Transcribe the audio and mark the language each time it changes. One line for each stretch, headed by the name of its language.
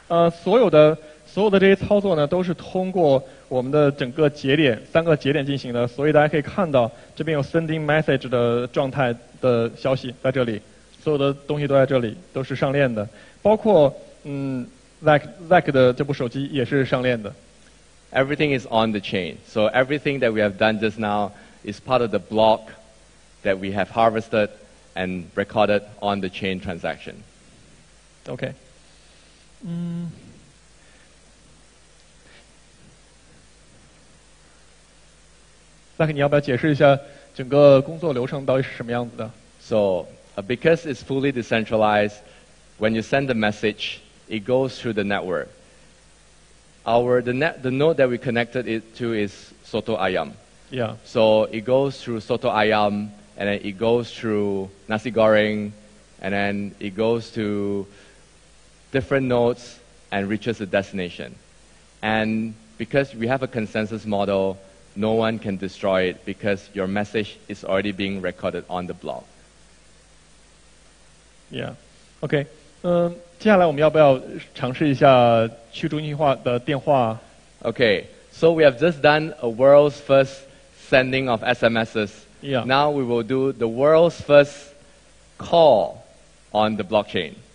Chinese: 所有的这些操作呢，都是通过我们的整个节点三个节点进行的，所以大家可以看到这边有 sending message 的状态的消息在这里，所有的东西都在这里，都是上链的，包括Zach 的这部手机也是上链的。
English: Everything is on the chain, so everything that we have done just now is part of the block that we have harvested and recorded on the chain transaction. Okay.
Chinese: 那你要不要解释一下整个工作流程到底是什么样子的？
English: So, because it's fully decentralized, when you send the message, it goes through the network. The node that we connected it to is Soto Ayam. Yeah. So it goes through Soto Ayam, and then it goes through Nasi Goreng, and then it goes to different nodes and reaches the destination. And because we have a consensus model, no one can destroy it because your message is already being recorded on the block. Yeah. Okay.
Chinese: 接下来我们要不要尝试一下去中心化的电话？
English: Okay. So we have just done a world's first sending of SMSs. Yeah. Now we will do the world's first call on the blockchain.